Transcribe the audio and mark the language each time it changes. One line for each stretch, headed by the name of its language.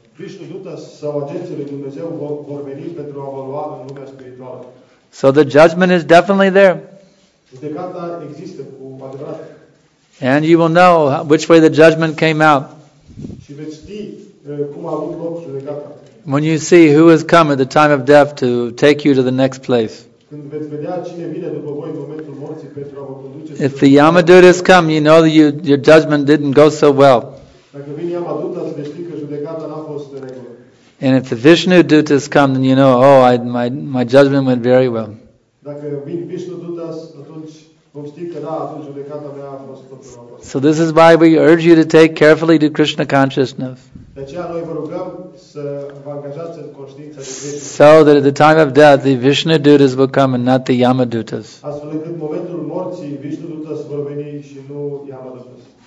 Romanian: Vishnu Dutas sau agențiile Dumnezeu vor veni pentru a vă lua în lumea spirituală.
English: So the judgment is definitely there.
Romanian: Judecata există cu adevărat.
English: And you will know which way the judgment came out.
Romanian: Și veți ști cum a avut loc judecata.
English: When you see who has come at the time of death to take you to the next place.
Romanian: Când veți vedea cine vine după voi în momentul morții pentru a vă conduce.
English: If the Yamadut has come, you know that your judgment didn't go so well.
Romanian: Dacă vine Yamadut, veți ști că judecata n-a fost de regulă.
English: And if the Vishnu Dutas come, then you know, my judgment went very well.
Romanian: Dacă vin Vishnu Dutas, atunci vom ști că da, atunci judecata mea a fost totul la bun.
English: So this is why we urge you to take carefully to Krishna consciousness.
Romanian: De aceea noi vă rugăm să vă angajați în conștiința de Vishnu.
English: So that at the time of death, the Vishnu Dutas will come and not the Yama Dutas.
Romanian: Astfel încât momentul morții, Vishnu Dutas vor veni și nu Yama Dutas.